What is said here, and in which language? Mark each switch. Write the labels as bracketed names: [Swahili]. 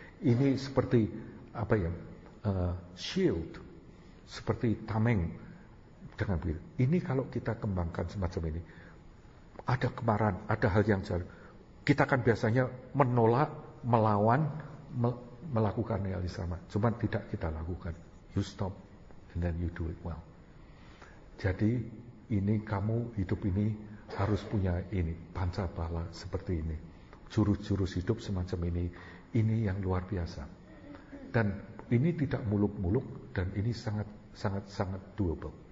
[Indonesian] Ini seperti apa ya? Shield, seperti tameng dengan begitu. Ini kalau kita kembangkan semacam ini, ada kemarahan, ada hal yang jahat. Kita kan biasanya menolak, melawan, melakukan hal yang sama. Cuman tidak kita lakukan. [English] You stop and then you do it well. [Indonesian] Jadi ini kamu hidup ini harus punya ini, panca bala seperti ini. Jurus-jurus hidup semacam ini yang luar biasa. Dan ini tidak muluk-muluk dan ini sangat-sangat doable.